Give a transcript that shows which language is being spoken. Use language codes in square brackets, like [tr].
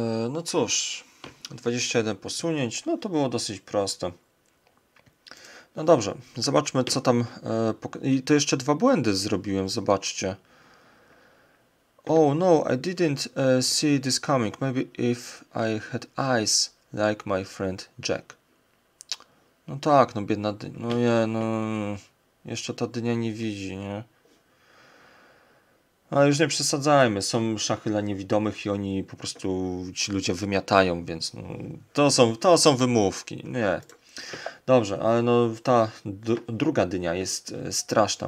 [pl] No cóż, 21 posunięć, no to było dosyć proste. No dobrze, zobaczmy co tam. I to jeszcze dwa błędy zrobiłem, zobaczcie. [en] Oh no, I didn't see this coming. Maybe if I had eyes like my friend Jack. [pl] No tak, no biedna dynia. No nie, no. Jeszcze ta dynia nie widzi, nie? Ale już nie przesadzajmy. Są szachy dla niewidomych i oni po prostu ci ludzie wymiatają, więc no, to są wymówki. Nie. Dobrze, ale no ta druga dynia jest straszna.